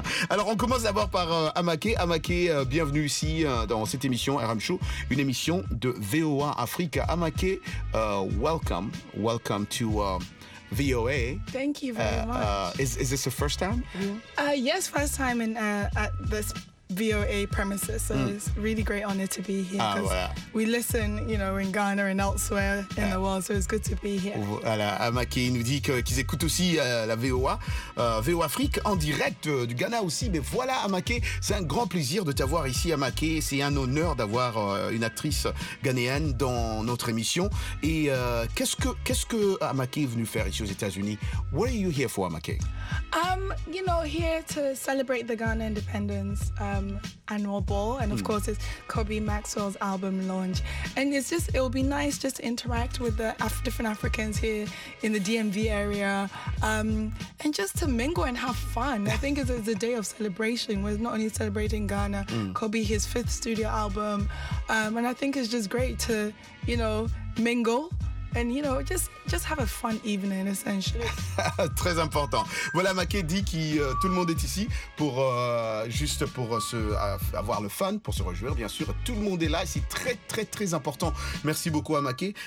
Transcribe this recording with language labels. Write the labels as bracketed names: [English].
[French] Alors, on commence d'abord par Amake, bienvenue ici dans cette émission RM Show, une émission de VOA Afrique. Amake, [English] welcome to VOA. Thank you very much. Is this the first time? Yeah. Yes, first time in at this VOA premises, so it's really great honor to be here. [French] Ah, voilà. [English] We listen, you know, in Ghana and elsewhere in the world, so it's good to be here. [French] Voilà, Amaké nous dit qu'ils écoutent aussi la VOA, VOA Afrique en direct du Ghana aussi. Mais voilà, Amaké, c'est un grand plaisir de t'avoir ici, Amaké. C'est un honneur d'avoir une actrice ghanéenne dans notre émission. Et qu'est-ce que Amaké est venue faire ici aux États-Unis? [English] What are you here for, Amaké? You know, here to celebrate the Ghana independence. Annual ball, and of course it's Kobe Maxwell's album launch, and it's just, it'll be nice just to interact with the different Africans here in the DMV area, and just to mingle and have fun. I think it's a day of celebration. We're not only celebrating Ghana, Kobe, his fifth studio album, and I think it's just great to, you know, mingle. And you know, just have a fun evening, essentially. [French] Très important. Voilà, Maké dit que tout le monde est ici pour juste pour avoir le fun, pour se réjouir, bien sûr. Tout le monde est là, c'est très très très important. Merci beaucoup, Maké.